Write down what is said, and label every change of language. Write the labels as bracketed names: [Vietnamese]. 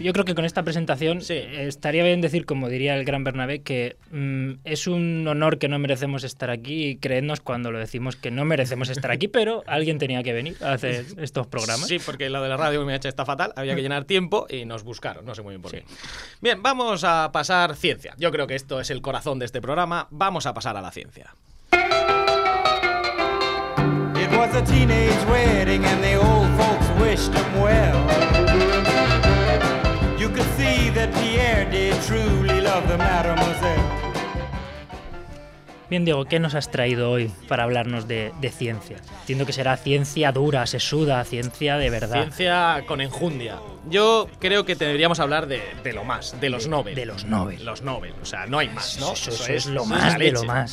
[Spanish] Yo creo que con esta presentación estaría bien decir, como diría el gran Bernabé, que es un honor que no merecemos estar aquí, y creednos cuando lo decimos que no merecemos estar aquí, pero alguien tenía que venir a hacer estos programas. Sí, porque lo de la radio MH está fatal, había que llenar tiempo y nos buscaron, no sé muy bien por qué. Bien, vamos a pasar ciencia. Yo creo que esto es el corazón de este programa. Vamos a pasar a la ciencia. [English] It was a teenage wedding and the old folks wished him well. You could see that Pierre did truly love the mademoiselle. [Spanish] Bien, Diego, ¿qué nos has traído hoy para hablarnos de ciencia? Entiendo que será ciencia dura, sesuda, ciencia de verdad. Ciencia con enjundia. Yo creo que deberíamos hablar de lo más, de los Nobel. De los Nobel. Los Nobel, o sea, no hay más, ¿no? Eso es lo más, más de lo más.